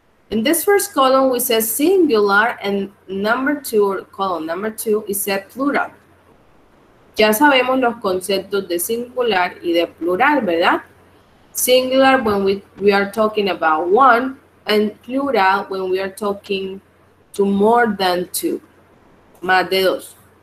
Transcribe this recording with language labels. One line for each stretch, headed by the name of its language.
English: In this first column, we said singular, and number two, or column number two, is said plural.
Spanish: Ya sabemos los conceptos de singular y de plural, ¿verdad?
English: Singular when we are talking about one, and plural when we are talking to more than two,
Spanish: más de dos.